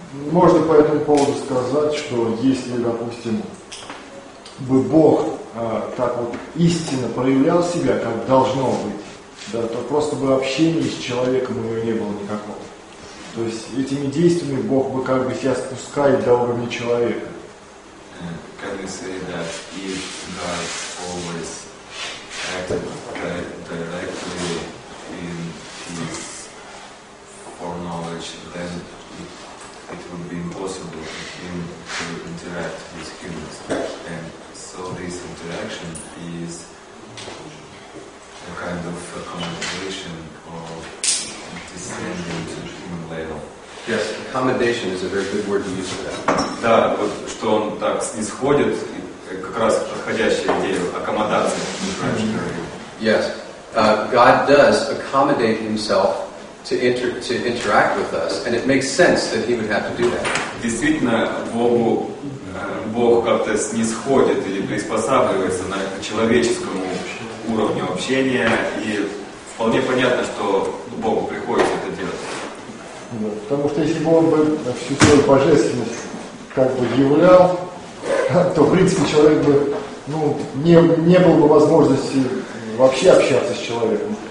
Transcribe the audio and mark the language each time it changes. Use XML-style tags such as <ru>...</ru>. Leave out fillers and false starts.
<ru>Можно по этому поводу сказать, что если, допустим, бы Бог так вот истинно проявлял себя, как должно быть, да, то просто бы общения с человеком у него не было никакого. То есть этими действиями Бог бы как бы себя спускает до уровня человека. Как вы сказали, да,</ru> <en>if God always acted directly in his foreknowledge, then it would be impossible for him to interact with humans. And so this interaction is a kind of a accommodation of descending to human level. Yes, accommodation is a very good word to use for that.</en> <ru>Да, вот что он так снисходит, как раз подходящая идея, аккомодация.</ru> <en>Yes, God does accommodate himself to interact with us, and it makes sense that he would have to do that.</en> <ru>Действительно, Богу, Бог как-то снисходит или приспосабливается на человеческому уровню общения, и вполне понятно, что Богу приходится это делать. Потому что если бы он бы всю свою божественность как бы являл, то в принципе человек бы, ну, не было бы возможности вообще общаться с человеком.</ru>